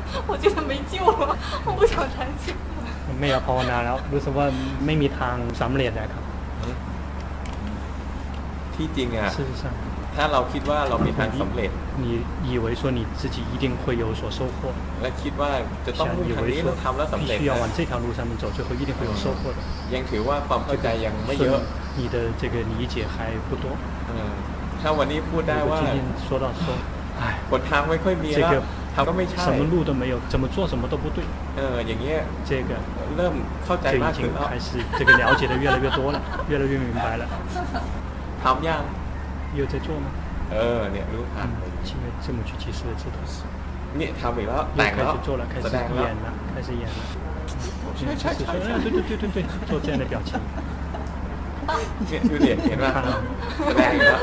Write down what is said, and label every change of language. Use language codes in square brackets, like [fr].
[zh] 我觉得没救了我不想禅修 [th] ไม่อยากภาวนาแล้วรู้สึกว่าไม่มีทางสำเร็จนะครับ ที่จริงอ่ะ [zh] 事实上 [th] ถ้าเราคิดว่าเรามีทางสำเร็จ [zh] 你以为说你自己一定会有所收获 [th] และคิดว่าจะต้องมุ่งทางนี้แล้วทำแล้วสำเร็จ [zh] 必须要往这条路上面走最后一定会有收获的 [th] ยังถือว่าความเข้าใจยังไม่เยอะ [zh] 你的这个理解还不多 [th] ถ้าวันนี้พูดได้ว่า [zh] 今天说到说 [th] 哎หนทางไม่ค่อยมีแล้วทำก็ไม่ใช่ [zh] 什么路都没有怎么做什么都不对 [th] อย่างเงี้ย [zh] 这个 [th] เริ่มเข้าใจมากขึ้นแล้ว [zh] 开始这个了解的越来越多了越来越明白了 [th] ทำยัง [zh] 有在做吗？ [th] เนี่ยรู้ทัน [zh] 现在这么去及时的知道是 [th] เนี่ยทำอีกแล้ว แต่งแล้วแสดงแล้ว [zh] 开始演了 [th] ใช่ใช่ใช่ [zh] 对做这样的表情 [th] เนี่ยดูเด็กเห็นไหมแสดงแล้ว